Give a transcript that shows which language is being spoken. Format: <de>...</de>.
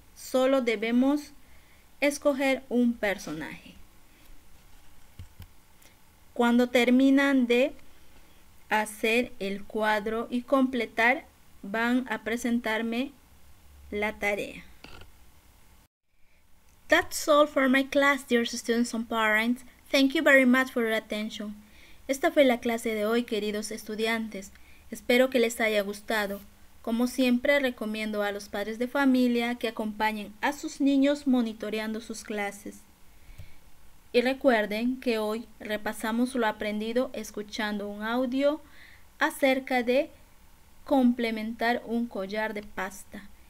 <es>Solo debemos escoger un personaje. Cuando terminan de hacer el cuadro y completar, van a presentarme la tarea.</es> <en>That's all for my class, dear students and parents. Thank you very much for your attention.</en> <es>Esta fue la clase de hoy, queridos estudiantes. Espero que les haya gustado. Como siempre, recomiendo a los padres de familia que acompañen a sus niños monitoreando sus clases. Y recuerden que hoy repasamos lo aprendido escuchando un audio acerca de complementar un collar de pasta.</es>